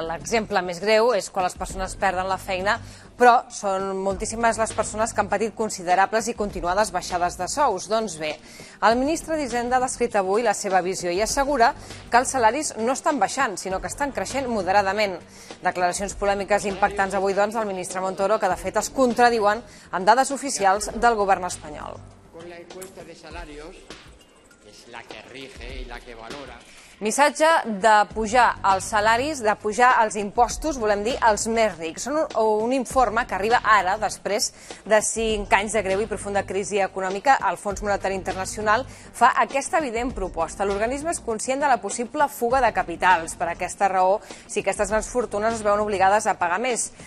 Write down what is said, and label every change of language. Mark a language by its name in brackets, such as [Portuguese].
[Catalan] L'exemple més greu és quan les persones perden la feina, però són moltíssimes les persones que han patit considerables i continuades baixades de sous. Doncs bé, el ministre d'Hisenda ha descrit avui la seva visió i assegura que els salaris no estan baixant, sinó que estan creixent moderadament. Declaracions polèmiques impactants avui, doncs, del ministre Montoro, que de fet es contradiuen amb dades oficials del govern espanyol. [Spanish] Con la encuesta de salarios, es la que rige y la que valora. [Catalan] Missatge de pujar els salaris, de pujar els impostos, volem dir, els més rics. Són un informe que arriba ara, després de 5 anys de greu i profunda crisi econòmica, el Fons Monetari Internacional fa aquesta evident proposta. L'organisme és conscient de la possible fuga de capitals. Per aquesta raó, si aquestes grans fortunes es veuen obligades a pagar més.